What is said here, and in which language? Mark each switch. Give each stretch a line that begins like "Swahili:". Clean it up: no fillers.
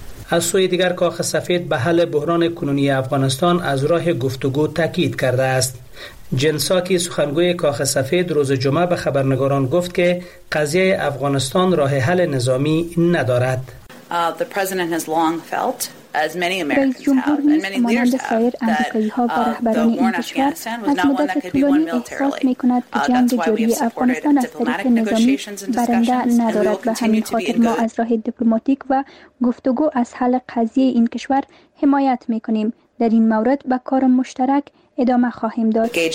Persian: از سوی دیگر کاخ سفید به حل بحران کنونی افغانستان از راه گفتگو تاکید کرده است. جن ساکی سخنگوی کاخ سفید روز جمعه به خبرنگاران گفت که قضیه افغانستان راه حل نظامی ندارد.
English: The president has long felt as many Americans have and many leaders have, that the war in Afghanistan was not one that could be won militarily. That's why we supported diplomatic negotiations and discussions, and we will continue to be in good.
Persian: گفتگو از حل قضیه این کشور حمایت میکنیم. در این مورد با کار مشترک ادامه خواهیم داد.